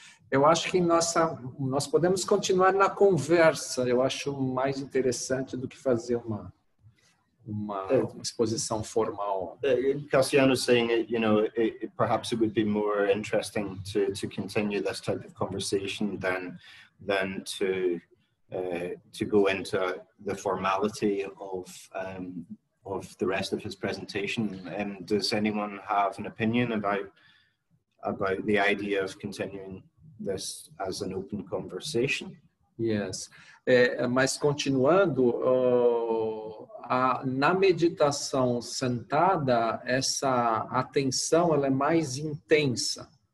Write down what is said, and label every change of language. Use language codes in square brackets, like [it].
[pt] Eu acho que nós podemos continuar na conversa. Eu acho mais interessante do que fazer uma exposição formal. [en] Cassiano saying it, you know, perhaps it would be more interesting to continue this type of conversation than to go into the formality of the rest of his presentation. And does anyone have an opinion about the idea of continuing this as an open conversation? Yes. [pt] Mas continuando, na meditação sentada, essa atenção ela é mais intensa.